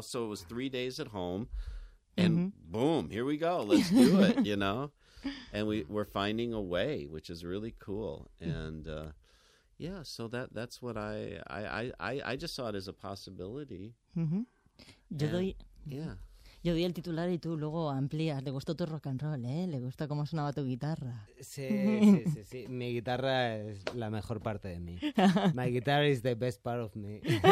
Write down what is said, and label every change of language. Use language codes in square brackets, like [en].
[en] So it was 3 days at home, and boom, here we go. Let's do it, you know. And we're finding a way, which is really cool. And yeah, so that's what I just saw it as a possibility. [es] Mm-hmm. Yo doy Yo di el titular y tú luego amplías. Le gustó tu rock and roll, ¿eh? Le gusta cómo sonaba tu guitarra. Sí, sí, sí, sí. Mi guitarra es la mejor parte de mí. [en] My guitar is the best part of me.